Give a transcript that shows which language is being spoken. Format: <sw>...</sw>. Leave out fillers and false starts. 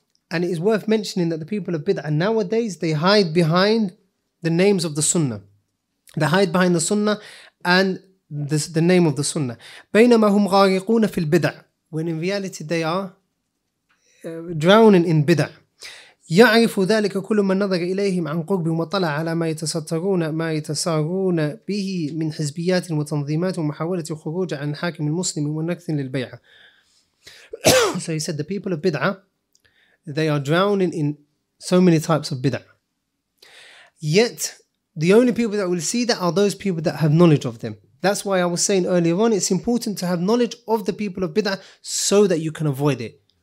<en>And it is worth mentioning that the people of bid'ah nowadays, they hide behind the names of the sunnah. They hide behind the sunnah and the name of the sunnah.</en> <ar>بَيْنَمَا هُمْ غَارِقُونَ فِي الْبِدْعَةِ.</ar> <en>When in reality they are drowning in bid'ah.</en> <ar>يعرف ذلك كل من نظر إليهم عن قرب وطلع على ما يتسترون ما يتسارون به من حزبيات وتنظيمات ومحاولة خروج عن الحاكم المسلم ونكث للبيعة.</ar> <en>So he said the people of bid'ah, they are drowning in so many types of bid'ah. Yet the only people that will see that are those people that have knowledge of them. That's why I was saying earlier on, it's important to have knowledge of the people of bid'ah so that you can avoid it.</en>